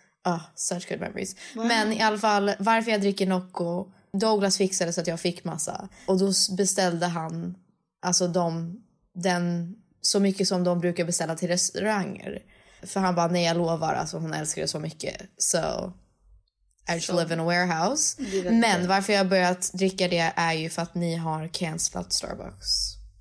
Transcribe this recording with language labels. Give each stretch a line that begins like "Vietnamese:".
English: Oh, such good memories. Wow.
Swedish: Men i alla fall, varför jag dricker Nocco, Douglas fixade så att jag fick massa. Och då beställde han, alltså de, den, så mycket som de brukar beställa till restauranger. För han bara, nej, jag lovar, alltså hon älskar det så mycket.
English: So, I just live in a warehouse.
Swedish: Men det. Varför jag börjat dricka det är ju för att ni har cancelat Starbucks.